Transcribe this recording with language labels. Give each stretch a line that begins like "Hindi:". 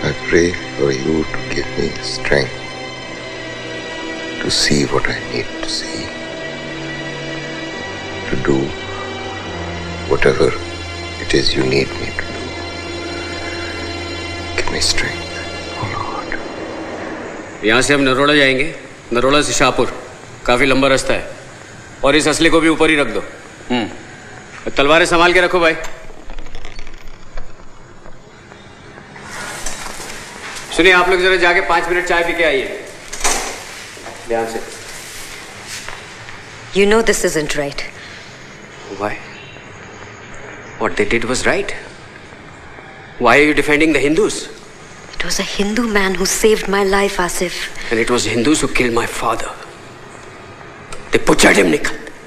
English: Pray for you to give me strength to see what I need to see, to do whatever it is you need me to do. Give me strength, oh Lord.
Hindi: यहाँ से हम नरोड़ा जाएंगे, नरोड़ा से शाहपुर, काफी लंबा रास्ता है, और इस असली को भी ऊपर ही रख दो. तलवारें संभाल के रखो भाई. सुनिए, आप लोग जरा जाके 5 मिनट चाय पी के आइए. ध्यान से.
English: You know this isn't right. Why? What they did was right. Why are you defending the Hindus? It was a Hindu man who saved my life, Asif. And it was Hindus who killed my father. They butchered him, Nikhil.